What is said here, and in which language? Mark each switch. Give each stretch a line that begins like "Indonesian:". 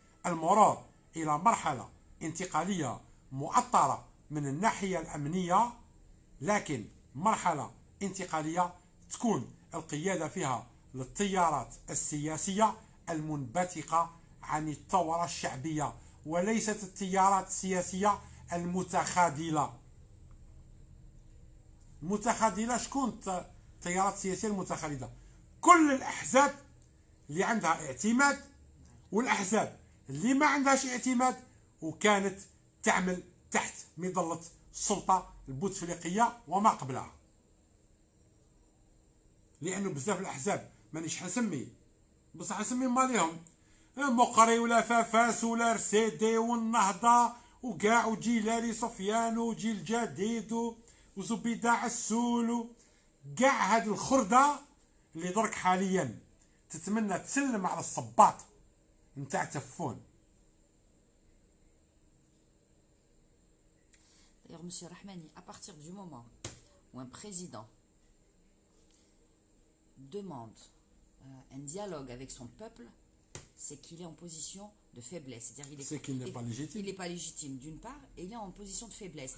Arabic: El marar ila marhala intiqaliya mu'attara min el nahiya el amniya, lakin marhala intiqaliya تكون القيادة فيها للتيارات السياسية المنبثقة عن الثورة الشعبية وليست التيارات السياسية المتخاذلة. المتخاذلة شكون التيارات السياسية المتخاذلة؟ كل الأحزاب اللي عندها اعتماد والأحزاب اللي ما عندهاش اعتماد وكانت تعمل تحت مظلة السلطة البوتفليقية وما قبلها. لانه بزاف الاحزاب مانيش حنسمي بصح نسمي ماليهم مقري ولا فافاس ولا رسيدي والنهضه وكاع وجيلالي سفيان وجيل جديد وزبيده عسول كاع هاد الخرده اللي درك حاليا تتمنى تسلم على الصباط نتاع تفون.
French: D'ailleurs, monsieur Rahmani, à partir du moment où un président demande un dialogue avec son peuple, c'est qu'il est en position de faiblesse. C'est-à-dire qu'il est, c'est qu'il n'est pas légitime. Il n'est pas légitime d'une part, et il est en position de faiblesse.